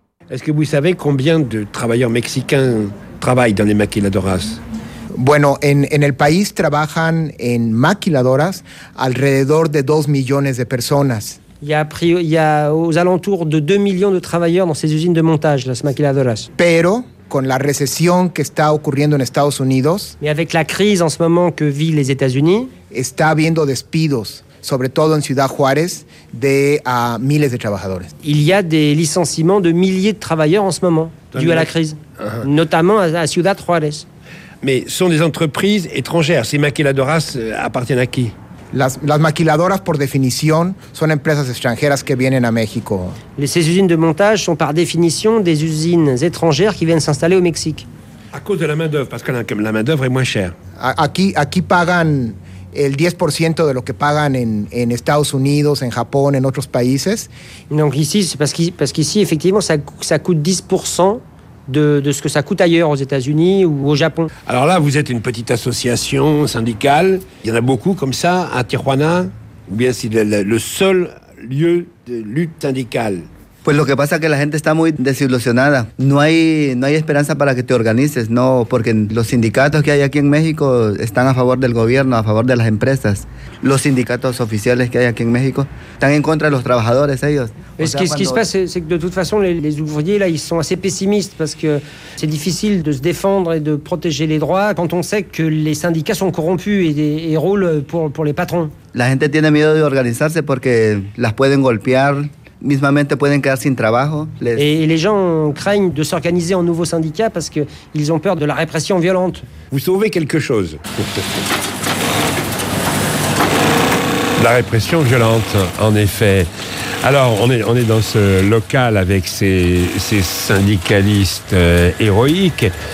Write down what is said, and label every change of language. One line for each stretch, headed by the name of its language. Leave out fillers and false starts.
French: Est-ce que vous savez combien de travailleurs mexicains travaillent dans les maquiladoras?
Spanish: Bueno, en el país trabajan en maquiladoras alrededor de 2 millones de personas.
French: Il y a aux alentours de 2 millions de travailleurs dans ces usines de montage, las maquiladoras.
Spanish: Pero con la recesión que está ocurriendo en Estados Unidos.
French: Mais avec la crise en ce moment que vivent les États-Unis,
Spanish: está habiendo despidos, sobre todo en Ciudad Juárez, de miles de trabajadores.
French: Il y a des licenciements de milliers de travailleurs en ce moment, dû à la crise, notamment à Ciudad Juárez. Mais ce sont des entreprises étrangères. Ces maquiladoras appartiennent à qui? Las maquiladoras, por definición, son empresas extranjeras que vienen a México. Ces usines de montage sont par définition des usines étrangères qui viennent s'installer au Mexique. À cause de la main-d'œuvre, parce que la main-d'œuvre est moins chère.
Spanish: Aquí pagan el 10% de lo que pagan en Estados Unidos, en Japón, en otros países.
French: Donc ici, c'est parce qu'ici, effectivement, ça coûte 10%. De ce que ça coûte ailleurs, aux États-Unis ou au Japon. Alors là, vous êtes une petite association syndicale. Il y en a beaucoup comme ça, à Tijuana, ou bien c'est le seul lieu de lutte syndicale.
Spanish: Pues lo que pasa es que la gente está muy desilusionada. No hay esperanza para que te organices, ¿no? Porque los sindicatos que hay aquí en México están a favor del gobierno, a favor de las empresas. Los sindicatos oficiales que hay aquí en México están en contra de los trabajadores, ellos.
French: Ce qui se passe, c'est que de toute façon, les ouvriers, là, ils sont assez pessimistes parce que c'est difficile de se défendre et de protéger les droits quand on sait que les syndicats sont corrompus et roulent pour les patrons.
Spanish: La gente tiene miedo de organizarse porque las pueden golpear. Mismamente pueden quedar sin trabajo.
French: Et les gens craignent de s'organiser en nouveau syndicat parce qu'ils ont peur de la répression violente. Vous sauvez quelque chose. La répression violente, en effet. Alors, on est dans ce local avec ces syndicalistes héroïques.